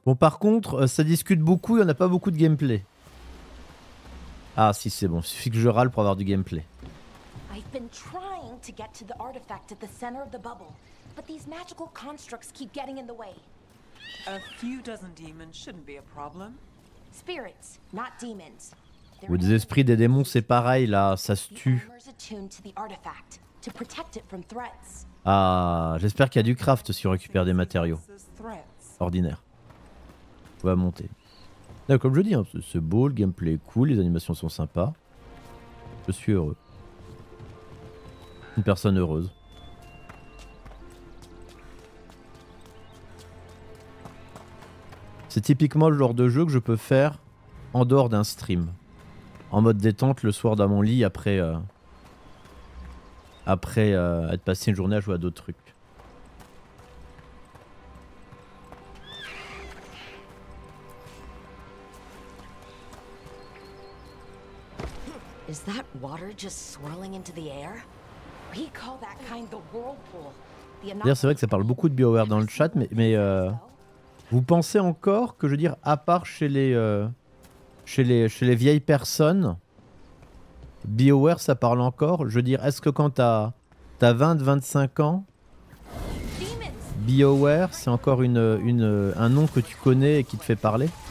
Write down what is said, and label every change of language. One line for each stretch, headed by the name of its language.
French: Bon, par contre, ça discute beaucoup, il n'y en a pas beaucoup de gameplay. Ah si, c'est bon, il suffit que je râle pour avoir du gameplay.
English: I've been trying to get to the artifact at the center of the bubble, but these magical constructs keep getting in the way. A few dozen demons shouldn't be a problem. Spirits, not demons.
French: Ou des esprits, des démons, c'est pareil là, ça se tue.
English: The armor's attuned to the artifact to protect it from threats.
French: Ah, j'espère qu'il y a du craft si on récupère des matériaux. Ordinaire. On va monter. Là, comme je dis, hein, c'est beau, le gameplay est cool, les animations sont sympas. Je suis heureux. Une personne heureuse. C'est typiquement le genre de jeu que je peux faire en dehors d'un stream. En mode détente le soir dans mon lit après... Après être passé une journée à jouer à d'autres trucs.
English: Is that water just swirling into the air? We call that kind the whirlpool.
French: D'ailleurs, c'est vrai que ça parle beaucoup de BioWare dans le chat, mais vous pensez encore que, je veux dire, à part chez les vieilles personnes, BioWare ça parle encore? Je veux dire, est-ce que quand t'as 20-25 ans, BioWare c'est encore un nom que tu connais et qui te fait parler?